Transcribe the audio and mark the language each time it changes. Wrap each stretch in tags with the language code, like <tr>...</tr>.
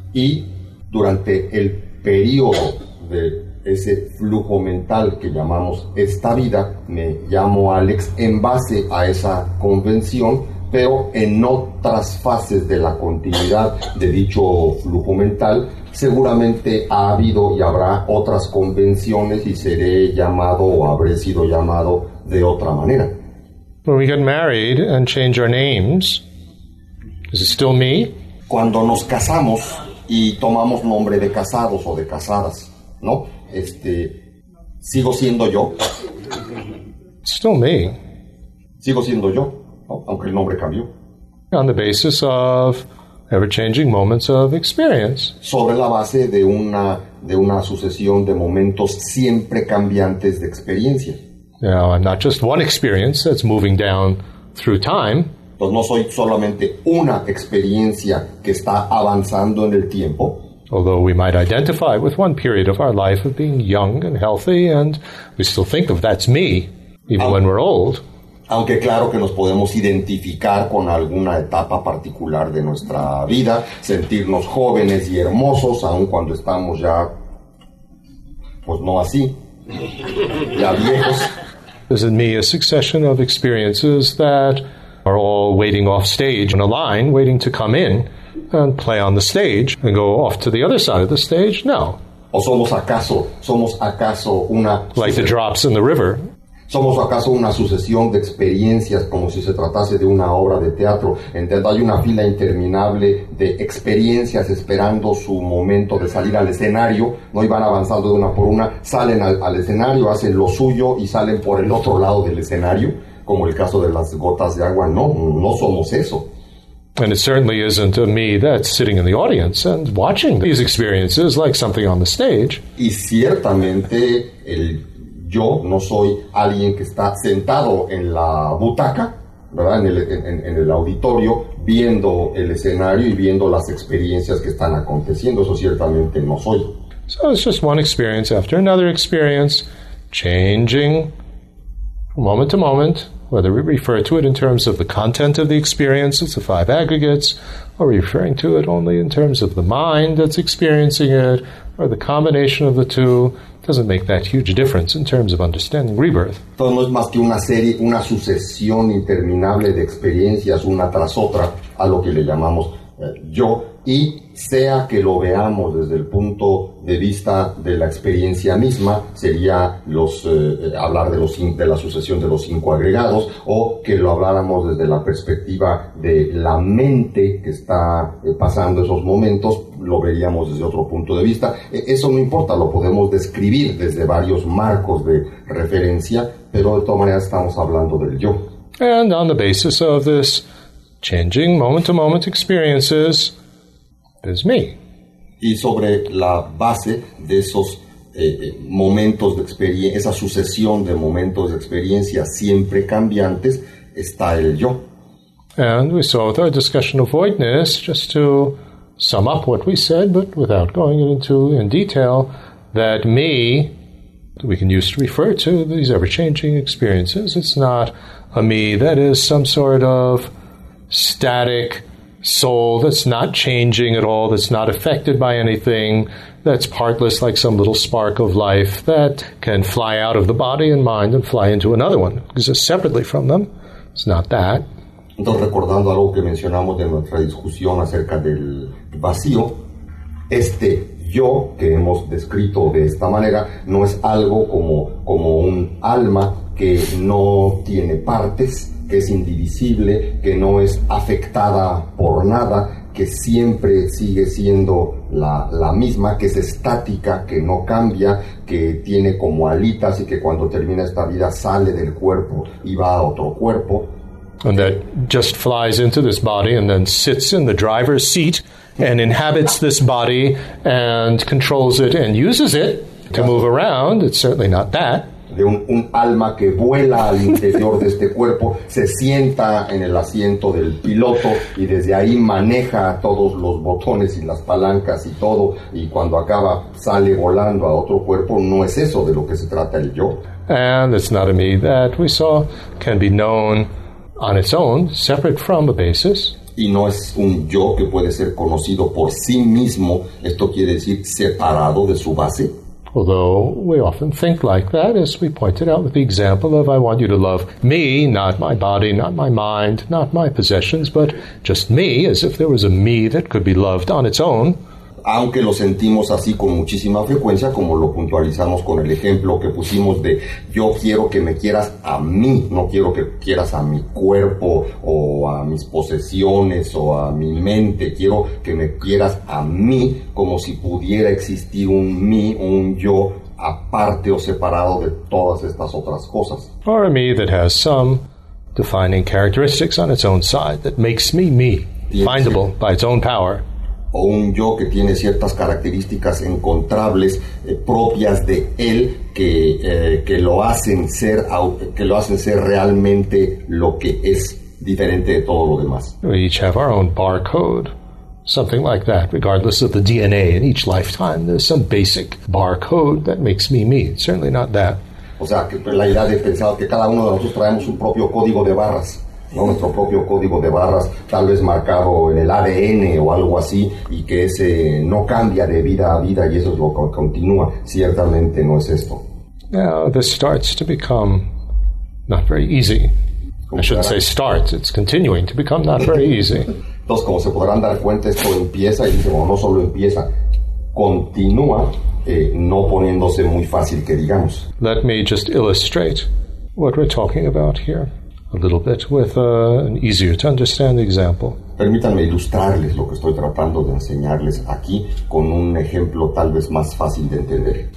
<es>Y durante el periodo de ese flujo mental que llamamos esta vida, me llamo Alex en base a esa convención. Pero en otras fases de la continuidad de dicho flujo mental, seguramente ha habido y habrá otras convenciones y seré llamado o habré sido llamado de otra manera.</es> <en>When we get married and change our names, is it still me?</en> <es>Cuando nos casamos y tomamos nombre de casados o de casadas, ¿no? ¿Sigo siendo yo?</es> <en>Still me.</en> <es>Sigo siendo yo. Aunque el nombre cambió.</es> <en>On the basis of ever-changing moments of experience.</en> <es>Sobre la base de una sucesión de momentos siempre cambiantes de experiencia.</es> <en>Now, I'm not just one experience that's moving down through time.</en> <es>Pues no soy solamente una experiencia que está avanzando en el tiempo.</es> <en>Although we might identify with one period of our life of being young and healthy, and we still think of that's me, even when we're old.</en> <es>Aunque claro que nos podemos identificar con alguna etapa particular de nuestra vida, sentirnos jóvenes y hermosos, aun cuando estamos ya, pues no así, ya viejos.</es> <en>Is it me a succession of experiences that are all waiting off stage in a line, waiting to come in? and play on the stage and go off to the other side of the stage? No.</en> <es>¿O somos acaso una</es> <en>like the drops in the river?</en> <es>¿Somos acaso una sucesión de experiencias como si se tratase de una obra de teatro? ¿Entiendo? Hay una fila interminable de experiencias esperando su momento de salir al escenario. No iban avanzando de una por una. Salen al escenario, hacen lo suyo y salen por el otro lado del escenario, como el caso de las gotas de agua. No, no somos eso.</es> <en>And it certainly isn't a me that's sitting in the audience and watching these experiences like something on the stage.</en> <es>Y ciertamente el yo no soy alguien que está sentado en la butaca, ¿verdad? En el auditorio, viendo el escenario y viendo las experiencias que están aconteciendo. Eso ciertamente no soy.</es> <en>So it's just one experience after another experience, changing moment to moment, whether we refer to it in terms of the content of the experience, it's the five aggregates, or referring to it only in terms of the mind that's experiencing it, or the combination of the two. Doesn't make that huge difference in terms of understanding rebirth.</en> <es>Todo no es más que una serie, una sucesión interminable de experiencias, una tras otra, a lo que le llamamos yo. Y sea que lo veamos desde el punto de vista de la experiencia misma, sería hablar de la sucesión de los cinco agregados, o que lo habláramos desde la perspectiva de la mente que está pasando esos momentos, lo veríamos desde otro punto de vista. Eso no importa, lo podemos describir desde varios marcos de referencia, pero de todas maneras estamos hablando del yo.</es> <en>And on the basis of this changing moment-to-moment experiences, there's me.</en> <es>Y sobre la base de esos momentos de experiencia, esa sucesión de momentos de experiencia siempre cambiantes, está el yo.</es> <en>And we saw with our discussion of voidness, just to sum up what we said, but without going into in detail, that me, we can use to refer to these ever-changing experiences. It's not a me that is some sort of static soul that's not changing at all, that's not affected by anything, that's partless like some little spark of life that can fly out of the body and mind and fly into another one, exists separately from them. It's not that.</en> <es>Entonces, recordando algo que mencionamos de nuestra discusión acerca del vacío, este yo que hemos descrito de esta manera no es algo como un alma que no tiene partes, que es indivisible, que no es afectada por nada, que siempre sigue siendo la misma, que es estática, que no cambia, que tiene como alitas y que cuando termina esta vida sale del cuerpo y va a otro cuerpo.</es> <en>And that just flies into this body and then sits in the driver's seat and inhabits this body and controls it and uses it to move around. It's certainly not that.</en> <es>De un alma que vuela al interior de este cuerpo, se sienta en el asiento del piloto y desde ahí maneja todos los botones y las palancas y todo, y cuando acaba sale volando a otro cuerpo. No es eso de lo que se trata el yo.</es> <en>And it's not a me that we saw can be known on its own, separate from a basis.</en> <es>Y no es un yo que puede ser conocido por sí mismo. Esto quiere decir separado de su base.</es> <en>Although we often think like that, as we pointed out with the example of I want you to love me, not my body, not my mind, not my possessions, but just me, as if there was a me that could be loved on its own.</en> <es>Aunque lo sentimos así con muchísima frecuencia, como lo puntualizamos con el ejemplo que pusimos de yo quiero que me quieras a mí, no quiero que quieras a mi cuerpo o a mis posesiones o a mi mente, quiero que me quieras a mí, como si pudiera existir un mí, un yo aparte o separado de todas estas otras cosas.</es> <en>Or a me that has some defining characteristics on its own side that makes me, findable by its own power.</en> <es>O un yo que tiene ciertas características encontrables propias de él que lo hacen ser realmente lo que es, diferente de todo lo demás.</es> <en>We each have our own barcode, something like that, regardless of the DNA in each lifetime. There's some basic barcode that makes me, certainly not that.</en> <es>O sea, que la idea de pensar que cada uno de nosotros traemos un propio código de barras. ¿No? Nuestro propio código de barras, tal vez marcado en el ADN o algo así, y que ese no cambia de vida a vida, y eso es lo que continúa. Ciertamente no es esto.</es> <en>Now, this starts to become not very easy. I shouldn't say starts, it's continuing to become not very easy.</en> <es>Entonces, como se podrán dar cuenta, esto empieza, y dice, bueno, no solo empieza, continúa, no poniéndose muy fácil, que digamos.</es> <en>Let me just illustrate what we're talking about here a little bit with an easier to understand example.</en> <es>Permítanme ilustrarles lo que estoy tratando de enseñarles aquí con un ejemplo tal vez más fácil de entender.</es>